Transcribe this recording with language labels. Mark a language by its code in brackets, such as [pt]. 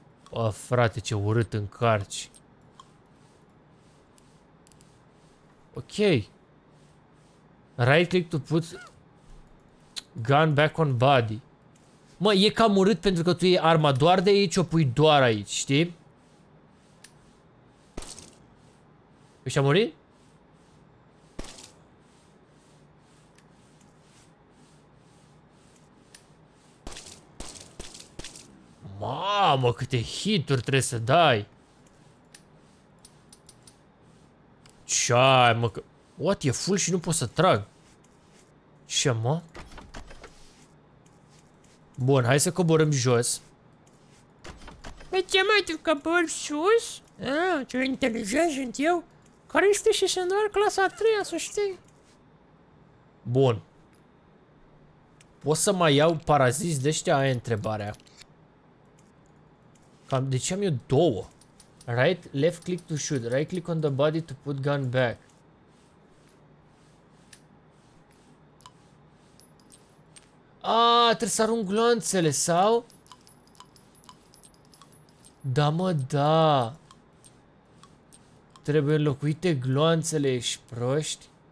[ro] Bă, frate, ce urât încarci. Ok. [en] Right click to put gun back on body. [ro] Mă, e cam urât pentru că tu iei arma doar de aici, o pui doar aici, știi? Ești a murit? Mamă, câte hituri trebuie să dai. Ce-ai, mă, că... What, e full și nu pot să trag. Ce, mă? Bun, hai să coborâm jos. De ce mai tu cobori sus? Ah, ce inteligent sunt eu. Care este și se îndoar clasa a treia, să știi. Bun. Poți să mai iau paraziți de ăștia? Aia e întrebarea. Cam, de ce am eu două? [en] Right, left click to shoot. Right click on the body to put gun back. [ro] Aaa, trebuie să arunc glonțele, sau? Da, mă, da. Trebuie înlocuite gloanțele, ești proști?